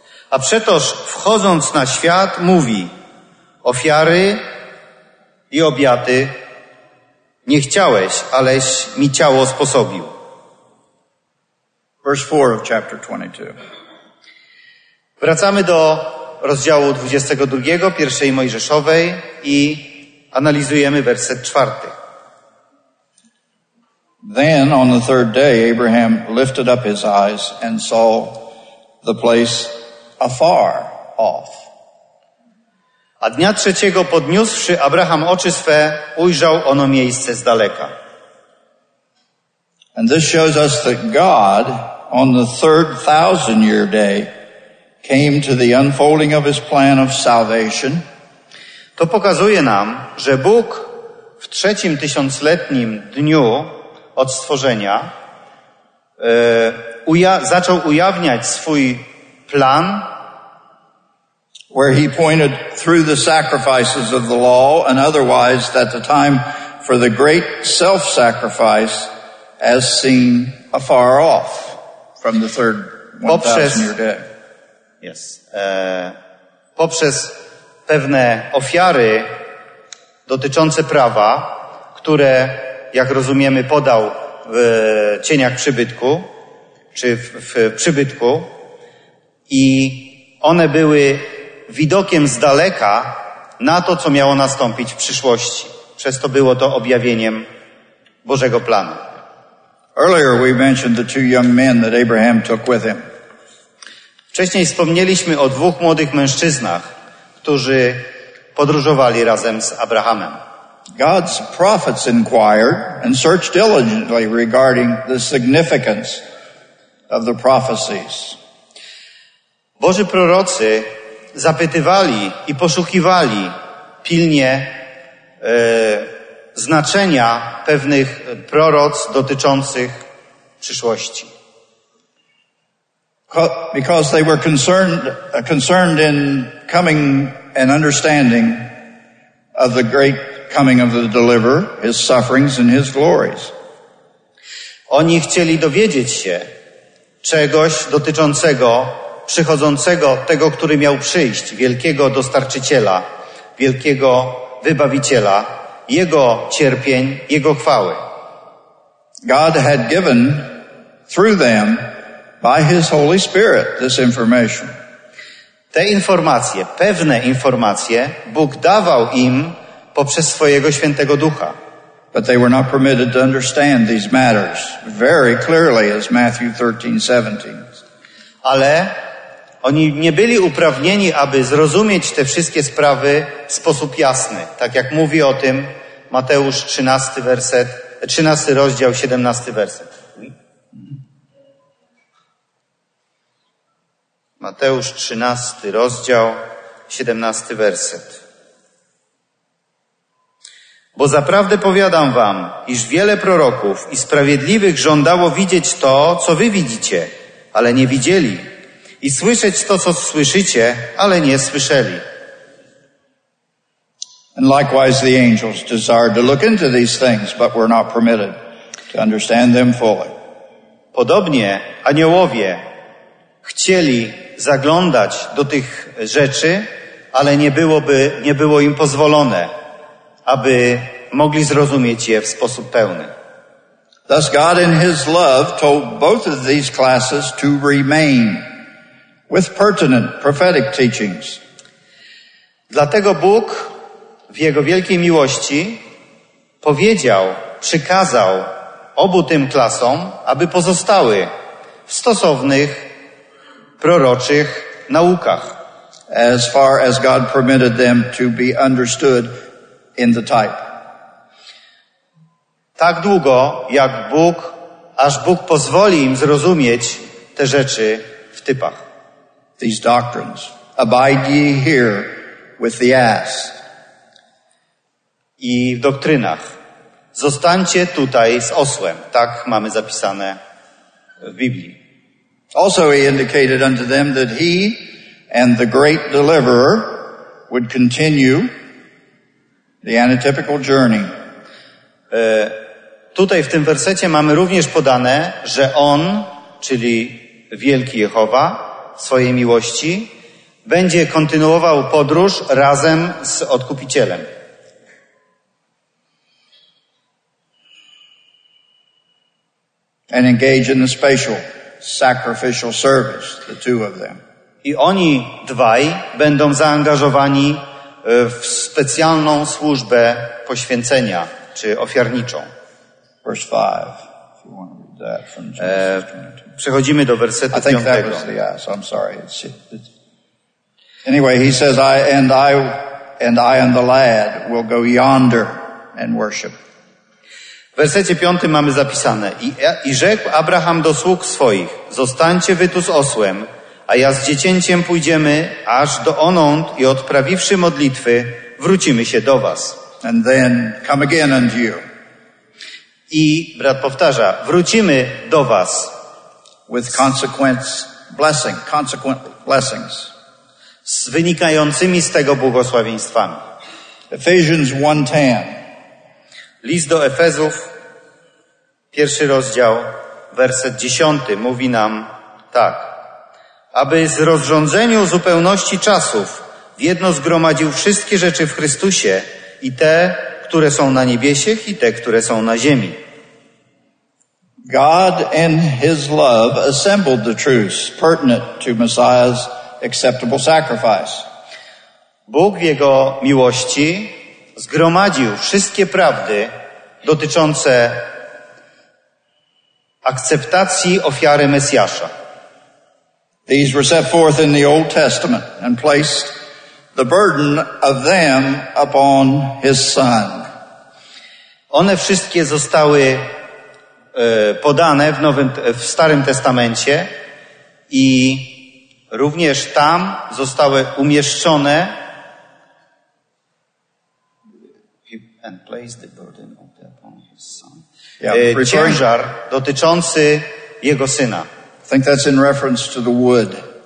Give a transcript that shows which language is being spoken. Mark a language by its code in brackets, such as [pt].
[pl] A przetoż wchodząc na świat mówi: ofiary i obiady nie chciałeś, aleś mi ciało sposobił. [en] Verse 4 of chapter 22. [pl] Wracamy do rozdziału 22, pierwszej Mojżeszowej i analizujemy werset 4. [en] Then on the third day Abraham lifted up his eyes and saw the place afar off. [pl] A dnia trzeciego podniósłszy Abraham oczy swe, ujrzał ono miejsce z daleka. [en] And this shows us that God on the third thousand year day came to the unfolding of his plan of salvation. [pl] To pokazuje nam, że Bóg w trzecim tysiącletnim dniu od stworzenia zaczął ujawniać swój plan, [en] where he pointed through the sacrifices of the law and otherwise that the time for the great self-sacrifice as seen afar off from the third 1,000-year day. Yes. [pl] Poprzez pewne ofiary dotyczące prawa, które, jak rozumiemy, podał w cieniach przybytku, czy w przybytku, i one były widokiem z daleka na to, co miało nastąpić w przyszłości. Przez to było to objawieniem Bożego planu. [en] Earlier we mentioned the two young men that Abraham took with him. [pl] Wcześniej wspomnieliśmy o dwóch młodych mężczyznach, którzy podróżowali razem z Abrahamem. [en] God's prophets inquired and searched diligently regarding the significance of the prophecies. [pl] Boży prorocy zapytywali i poszukiwali pilnie znaczenia pewnych proroc dotyczących przyszłości. [en] Because they were concerned in coming and understanding of the great coming of the deliverer, his sufferings and his glories. [pl] Oni chcieli dowiedzieć się czegoś dotyczącego przychodzącego tego, który miał przyjść, wielkiego dostarczyciela, wielkiego wybawiciela, jego cierpień, jego chwały. [en] God had given through them by his Holy Spirit this information. [pl] Te informacje, pewne informacje, Bóg dawał im poprzez swojego Świętego Ducha. [en] But they were not permitted to understand these matters very clearly as Matthew 13:17. [pl] Ale oni nie byli uprawnieni, aby zrozumieć te wszystkie sprawy w sposób jasny, tak jak mówi o tym Mateusz 13 werset, 13 rozdział 17 werset. Mateusz 13, rozdział 17, werset. Bo zaprawdę powiadam wam, iż wiele proroków i sprawiedliwych żądało widzieć to, co wy widzicie, ale nie widzieli, i słyszeć to, co słyszycie, ale nie słyszeli. [en] And likewise the angels desired to look into these things, but were not permitted to understand them fully. [pl] Podobnie aniołowie chcieli zaglądać do tych rzeczy, ale nie było im pozwolone, aby mogli zrozumieć je w sposób pełny. [en] Thus God in his love told both of these classes to remain with pertinent prophetic teachings. [pl] Dlatego Bóg w jego wielkiej miłości powiedział, przykazał obu tym klasom, aby pozostały w stosownych proroczych naukach. [en] As far as God permitted them to be understood in the type. [pl] Tak długo, jak Bóg, aż Bóg pozwoli im zrozumieć te rzeczy w typach. [en] These doctrines. Abide ye here with the ass. [pl] I w doktrynach. Zostańcie tutaj z osłem. Tak mamy zapisane w Biblii. [en] Also he indicated unto them that he and the great deliverer would continue the antitypical journey. [pl] Tutaj w tym wersecie mamy również podane, że on, czyli wielki Jehowa, w swojej miłości, będzie kontynuował podróż razem z Odkupicielem. [en] And engage in the spatial sacrificial service, the two of them. [pl] I oni dwaj będą zaangażowani w specjalną służbę poświęcenia czy ofiarniczą. [en] Verse 5. If you want to read that from Genesis 22. [pl] Przechodzimy do wersetu 5. [en] I think that was the ass. I'm sorry. Anyway, he says, I and the lad will go yonder and worship. [pl] W wersecie 5 mamy zapisane: I rzekł Abraham do sług swoich: Zostańcie wy tu z osłem, a ja z dziecięciem pójdziemy aż do onąd i odprawiwszy modlitwy, wrócimy się do was. [en] And then come again unto you. [pl] I brat powtarza: Wrócimy do was. [en] With consequence blessing, consequent blessings. [pl] Z wynikającymi z tego błogosławieństwami. [en] Ephesians 1:10. [pl] List do Efezów, pierwszy rozdział, werset 10, mówi nam tak. Aby z rozrządzeniu zupełności czasów w jedno zgromadził wszystkie rzeczy w Chrystusie i te, które są na niebiesiech i te, które są na ziemi. [en] God in his love assembled the truths pertinent to Messiah's acceptable sacrifice. [pl] Bóg w jego miłości zgromadził wszystkie prawdy dotyczące akceptacji ofiary Mesjasza. [en] These were set forth in the Old Testament and placed the burden of them upon his son. [pl] One wszystkie zostały podane w Starym Testamencie i również tam zostały umieszczone. [en] And place the burden of the upon his son. [pl] Ciężar dotyczący jego syna. [en] I think that's in reference to the wood.